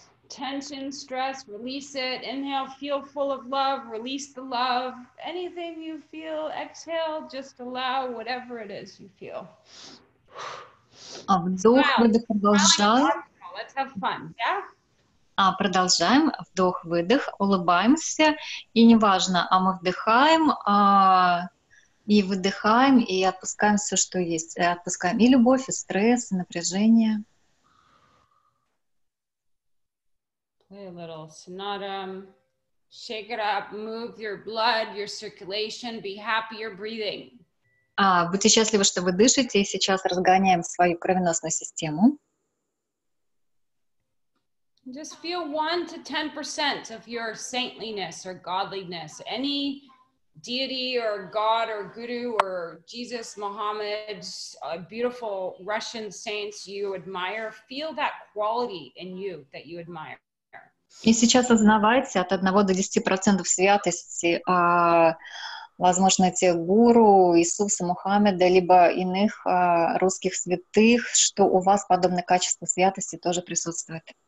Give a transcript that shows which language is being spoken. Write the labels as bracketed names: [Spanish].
[English] Tension, stress, release it. Inhale, feel full of love, release the love. Anything you feel, exhale, just allow whatever it is you feel. [Russian] А вдох, выдох, продолжаем. [English] Let's have fun, yeah? [Russian] А продолжаем, вдох, выдох, улыбаемся. И неважно, а мы вдыхаем, и выдыхаем, и отпускаем все, что есть. И отпускаем и любовь, и стресс, и напряжение. [English] Play a little sonata. Shake it up, move your blood, your circulation, be happy you're breathing. [Russian] А, будьте счастливы, что вы дышите, и сейчас разгоняем свою кровеносную систему. [English] Just feel 1-10% of your saintliness or godliness. Any deity or god or guru or Jesus, Muhammad, beautiful Russian saints you admire, feel that quality in you that you admire. [Russian] И сейчас осознавайте от 1 до 10% святости, возможно, те гуру, Иисуса, Мухаммеда, либо иных русских святых, что у вас подобное качество святости тоже присутствует.